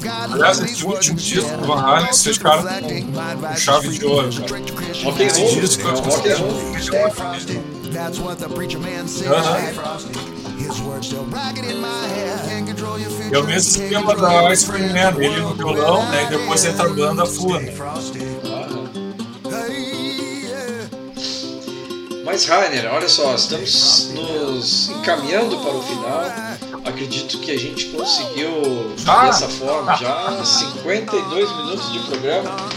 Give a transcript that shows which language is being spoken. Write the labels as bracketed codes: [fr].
[pt] Aliás, esse último disco do Van Halen, vocês ficaram com chave de ouro, cara. Ok, esse disco, ok, ok. [en] That's what the preacher man says. His words still rocking in my head. Can't control your future. [pt] Eu mesmo esquema da Ice Cream Man, ele no violão, né? E depois entra a banda fua. Mas, Rainer, olha só, estamos nos encaminhando para o final. Acredito que a gente conseguiu dessa forma já 52 minutos de programa.